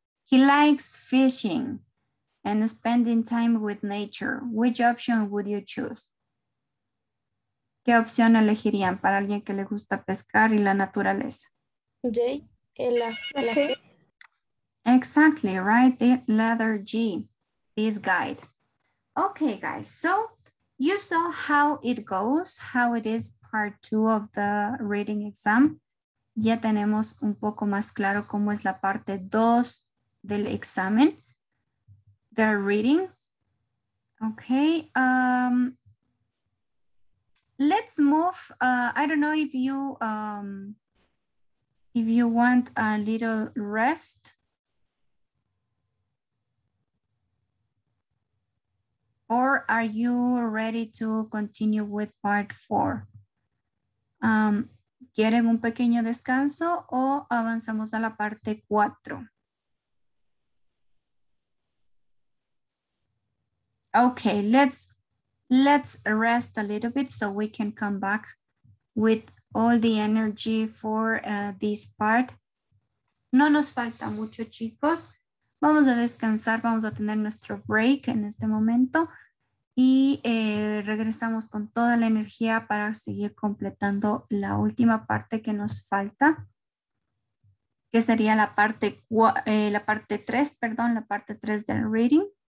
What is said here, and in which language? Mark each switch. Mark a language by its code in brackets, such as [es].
[en] He likes fishing and spending time with nature. Which option would you choose? [es] ¿Qué opción elegirían para alguien que le gusta pescar y la naturaleza? J, la G. [en] Exactly, right? The letter G, this guide. Okay, guys, so you saw how it goes, how it is part two of the reading exam. [es] Ya tenemos un poco más claro cómo es la parte 2 del examen. [en] The reading. Okay. Let's move. I don't know if you want a little rest. Or are you ready to continue with part 4? [es] ¿Quieren un pequeño descanso o avanzamos a la parte 4? [en] Okay, let's rest a little bit so we can come back with all the energy for this part. [es] No nos falta mucho, chicos. Vamos a descansar, vamos a tener nuestro break en este momento y regresamos con toda la energía para seguir completando la última parte que nos falta, que sería la parte 3 del reading.